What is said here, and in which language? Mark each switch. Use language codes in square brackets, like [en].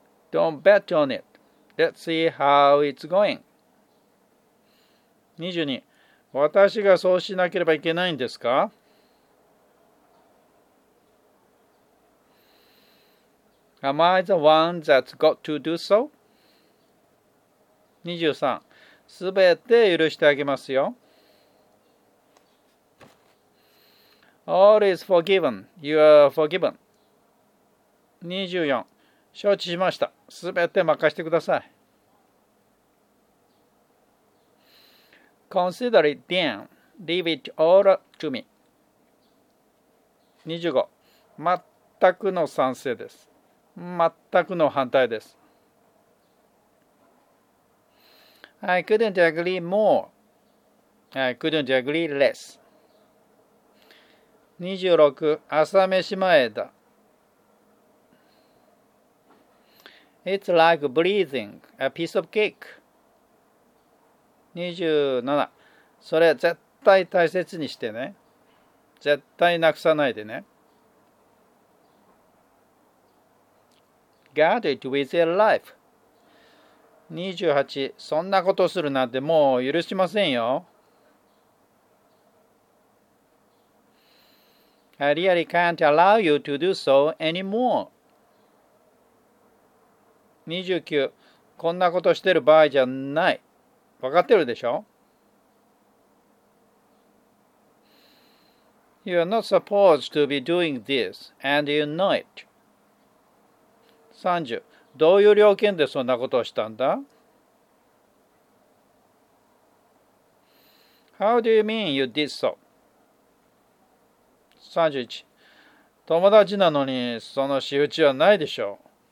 [en] Don't bet on it. Let's see how it's going. 22. [ja] 私がそうしなければいけないんですか？ [en] Am I the one that's got to do so? 23. [ja] すべて許してあげますよ。 [en] All is forgiven. You are forgiven. 24. [ja] 承知しました。すべて任せてください。 [en] Consider it then. Leave it all to me. [ja] 25、全くの賛成です。全くの反対です。 [en] I couldn't agree more. I couldn't agree less. [ja] 26、朝飯前だ。 [en] It's like breathing a piece of cake. [ja] 27、それ絶対大切にしてね。絶対なくさないでね。 [en] Guard it with your life. [ja] 28、そんなことするなんてもう許しませんよ。 [en] I really can't allow you to do so anymore. [ja] 29、こんなことしてる場合じゃない。わかってるでしょ？ [en] You are not supposed to be doing this, and you know it. 30. [ja] どういう了見でそんなことをしたんだ? [en] How do you mean you did so? 31. [ja] 友達なのにその仕打ちはないでしょう。